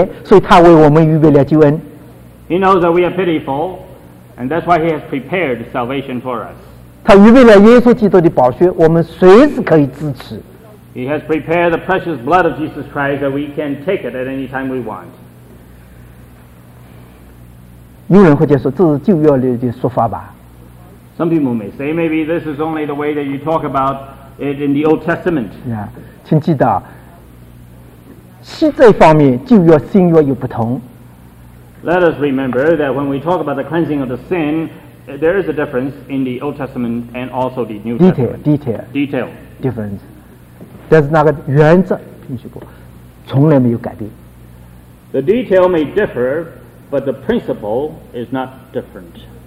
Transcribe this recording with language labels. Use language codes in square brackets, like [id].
[zh] 为了这个缘故，所以他也知道我们的可怜，所以他为我们预备了救恩。 [en] He knows that we are pitiful, and that's why He has prepared salvation for us. [zh] 他预备了耶稣基督的宝血，我们随时可以支持。 [en] He has prepared the precious blood of Jesus Christ that we can take it at any time we want. [zh] 有人会就说这是旧约的说法吧。 [en] Some people may say maybe this is only the way that you talk about it in the Old Testament. [zh] Yeah, 请记得，这方面旧约新约有不同。 [en] Let us remember that when we talk about the cleansing of the sin, there is a difference in the Old Testament and also the New Testament. Detail. Difference. [zh] 但是那个原则，听说过，从来没有改变。 [en] The detail may differ, but the principle is not different.